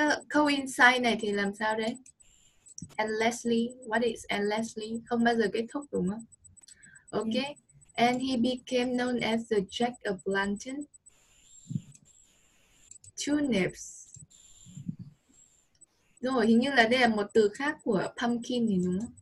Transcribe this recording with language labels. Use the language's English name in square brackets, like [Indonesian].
[English] coincide [Vietnamese] này thì làm sao đấy? [English] Endlessly, what is endlessly? [Vietnamese] Không bao giờ kết thúc đúng không? [English] Ok. And he became known as the Jack of Lantern. Tulips. [Vietnamese] Rồi, hình như là đây là một từ khác của pumpkin thì đúng không?